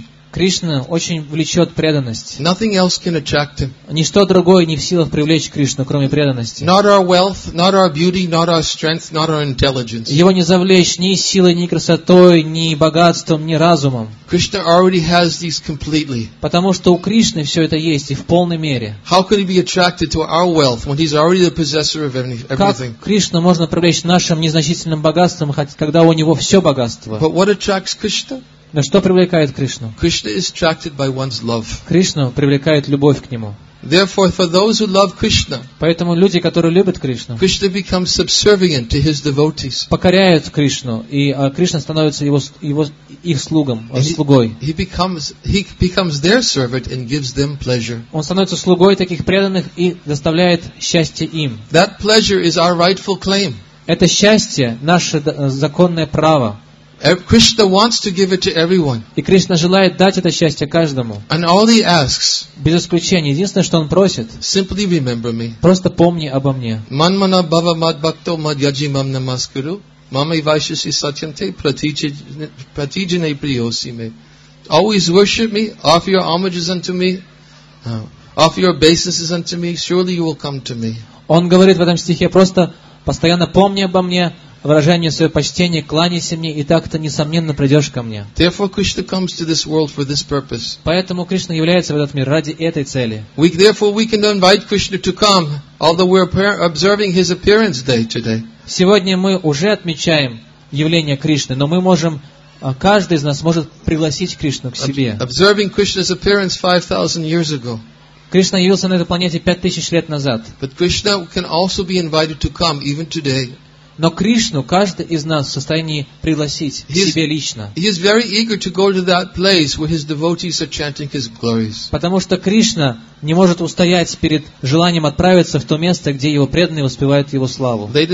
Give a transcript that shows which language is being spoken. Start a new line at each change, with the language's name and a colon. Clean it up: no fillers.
Russian: Кришна очень влечет преданность.
English: Nothing else can attract him.
Russian: Ничто другое не в силах привлечь Кришну, кроме преданности.
English: Not our wealth, not our beauty, not our strength, not our intelligence.
Russian: Его не завлечь ни силой, ни красотой, ни богатством, ни разумом.
English: Krishna already has these completely.
Russian: Потому что у Кришны все это есть и в полной мере.
English: How could he be attracted to our wealth when he's already the possessor of everything?
Russian: Как Кришну можно привлечь нашим незначительным богатством, когда у него все богатство?
English: But what attracts Krishna?
Russian: Но что привлекает Кришну?
English: Krishna is attracted by one's love.
Russian: Кришну привлекает любовь к нему.
English: Therefore, for those who love Krishna,
Russian: поэтому люди, которые любят Кришну,
English: Krishna becomes subservient to his devotees.
Russian: Покоряют Кришну, и Кришна становится их слугом, слугой.
English: He becomes their servant and gives them pleasure.
Russian: Он становится слугой таких преданных и доставляет счастье им.
English: That pleasure is our rightful claim.
Russian: Это счастье наше законное право.
English: Krishna wants to give it to everyone.
Russian: И Кришна желает дать это счастье каждому.
English: And all he asks,
Russian: без исключения, единственное, что он просит,
English: simply remember me.
Russian: Просто помни обо мне.
Sanskrit: Манмана бава мад бхакто мад яджи мам намаскару, мама вайшаси сатьянте пратиджине приоси ме.
English: Always worship me, offer your homages unto me, offer your obeisances unto me, surely you will come to me.
Russian: Он говорит в этом стихе, просто постоянно помни обо мне, выражение свое почтение, кланяйся мне, и так ты, несомненно, придешь ко мне.
English: Therefore, Krishna comes to this world for this purpose.
Russian: Поэтому Кришна является в этот мир ради этой цели.
English: We can invite Krishna to come, although we're observing his appearance day today.
Russian: Сегодня мы уже отмечаем явление Кришны, но мы можем, каждый из нас может пригласить Кришну к себе.
English: Observing Krishna's appearance 5,000 years ago.
Russian: Кришна явился на этой планете 5,000 лет назад.
English: But Krishna can also be invited to come even today.
Russian: Но Кришну каждый из нас в состоянии пригласить к себе лично. Потому что Кришна не может устоять перед желанием отправиться в то место, где его преданные воспевают его славу.